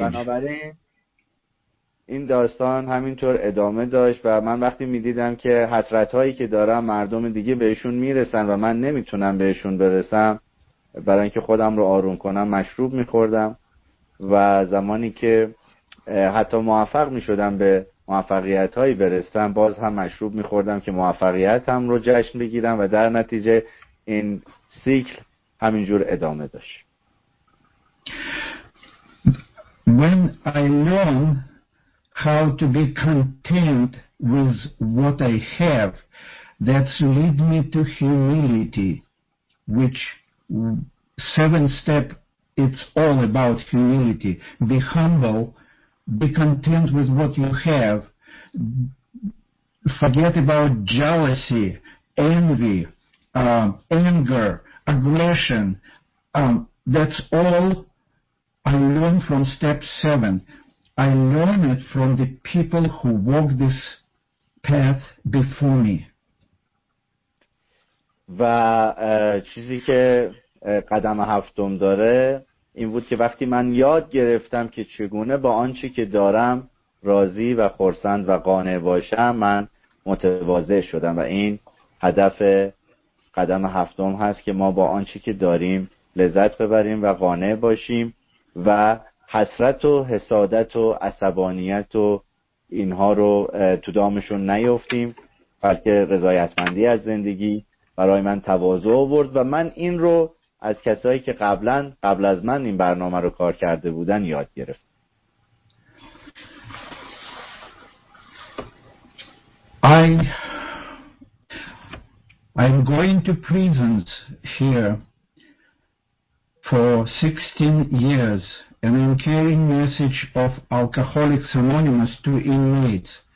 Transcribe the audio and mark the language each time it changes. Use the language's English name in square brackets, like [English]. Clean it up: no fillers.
[Persian] بنابراین این داستان همینطور ادامه داشت و من وقتی میدیدم که حسرت‌هایی که دارم مردم دیگه بهشون میرسن و من نمیتونم بهشون برسم، برای اینکه خودم رو آروم کنم مشروب میخوردم و زمانی که حتی موفق می شدم به موفقیت هایی برستم باز هم مشروب می خوردم که موفقیتم رو جشن بگیرم و در نتیجه این سیکل همینجور ادامه داشت. [English] When I learn how to be content with what I have, that's lead me to humility, which seven step. It's all about humility. Be humble, be content with what you have. Forget about jealousy, envy, anger, aggression. That's all I learned from step seven. I learned it from the people who walked this path before me. [Persian] این بود که وقتی من یاد گرفتم که چگونه با آنچه که دارم راضی و خرسند و قانع باشم، من متواضع شدم و این هدف قدم هفتم هست که ما با آنچه که داریم لذت ببریم و قانع باشیم و حسرت و حسادت و عصبانیت و اینها رو تو دامشون نیفتیم، بلکه رضایتمندی از زندگی برای من تواضع آورد و من این رو از کسایی که قبل از من این برنامه رو کار کرده بودن یاد گرفت. [English] I'm going to prisons here for 16 years and I'm carrying message of Alcoholics Anonymous to inmates.